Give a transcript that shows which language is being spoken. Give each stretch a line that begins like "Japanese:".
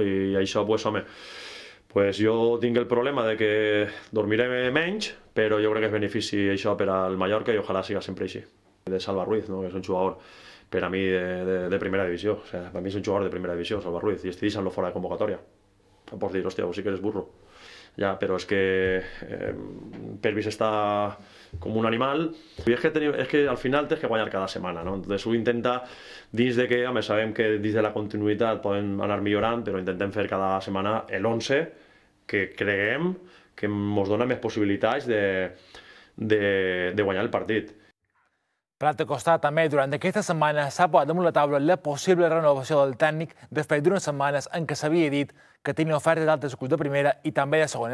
Catalan: I això, pues, home, pues jo tinc el problema de que dormiré menys, però jo crec que és benefici això per al Mallorca i ojalà siga sempre així. De Salva Ruiz, ¿no? Que és un jugador per a mi de primera divisió.
Spanish: O sea,
Catalan: per a mi és un jugador de primera divisió, Salva Ruiz, i estic deixant-lo fora de convocatòria. No pots dir, hòstia,
Spanish: vos sí que eres burro. Ya, pero es que Pervis está como un animal. Y es que al final tienes que
Catalan: guanyar
Spanish: cada semana, ¿no? Entonces, uno intenta,
Catalan: dins de que, home, sabem que dins de la continuïtat poden anar millorant, però intentem fer cada setmana el 11 que creguem que ens dona més possibilitats de guanyar el partit. Per altre costat, també, durant aquesta setmana s'ha posat damunt la taula la possible renovació del tècnic després d'unes setmanes en què s'havia dit que tenia ofertes d'altres clubs de primera i també de segona.